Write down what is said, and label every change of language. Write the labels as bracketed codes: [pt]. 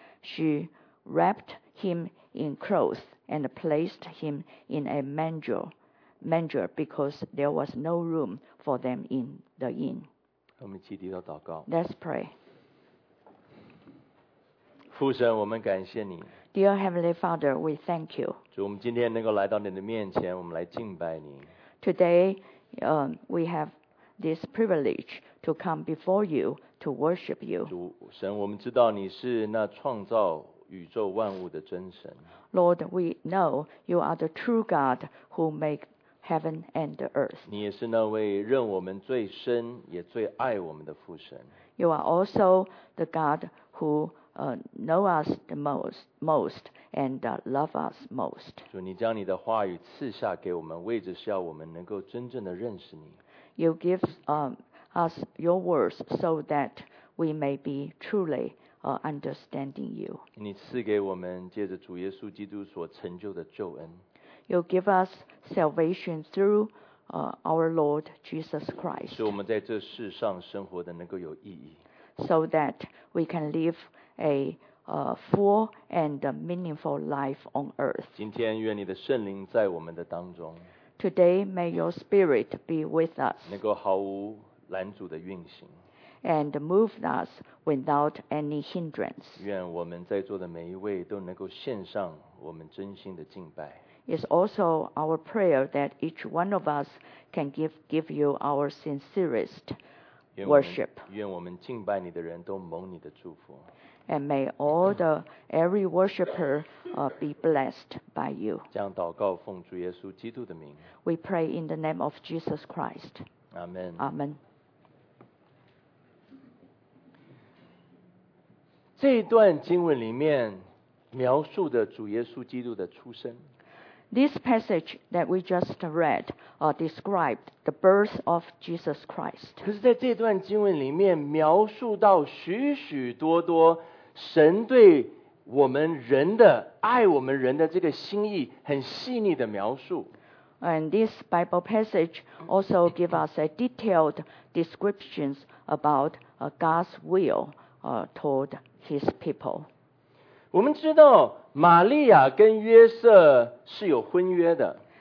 [en] She wrapped him in cloth and placed him in a manger because there was no room for them in the inn. [zh] 我们起立到祷告。 [en] Let's pray. [zh] 父神，我们感谢你。 [en] Dear Heavenly Father, we thank you. [zh] 主，我们今天能够来到你的面前，我们来敬拜你。 [en] Today, we have this privilege to come before you to worship you. [zh] 主神，我们知道你是那创造宇宙万物的真神。 [en] Lord, we know you are the true God who makes heaven and the earth. [zh] 你也是那位认我们最深也最爱我们的父神。 [en] You are also the God who, know us the most and, love us most. [zh] 主，你将你的话语赐下给我们，为着是要我们能够真正的认识你。 [en] You give, us your words so that we may be truly, understanding you. [zh] 你赐给我们借着主耶稣基督所成就的救恩。 [en] You give us salvation through, our Lord Jesus Christ. [zh] 使我们在这世上生活的能够有意义。 [en] So that we can live a, full and meaningful life on earth. [zh] 今天愿你的圣灵在我们的当中。 [en] Today may your spirit be with us. [zh] 能够毫无拦阻的运行。 [en] And move us without any hindrance. [zh] 愿我们在座的每一位都能够献上我们真心的敬拜。 [en] It's also our prayer that each one of us can give you our sincerest worship. [zh] 愿我们敬拜你的人都蒙你的祝福。 [en] And may all the every worshipper be blessed by you. [zh] 这样祷告奉主耶稣基督的名。 [en] We pray in the name of Jesus Christ. Amen. Amen. [zh] 这一段经文里面描述的主耶稣基督的出生。 [en] This passage that we just read described the birth of Jesus Christ. [zh] 可是在这段经文里面描述到许许多多神对我们人的爱我们人的这个心意很细腻的描述。 [en] And this Bible passage also gives us a detailed description about God's will toward His people. [zh] 我们知道玛利亚跟约瑟是有婚约的。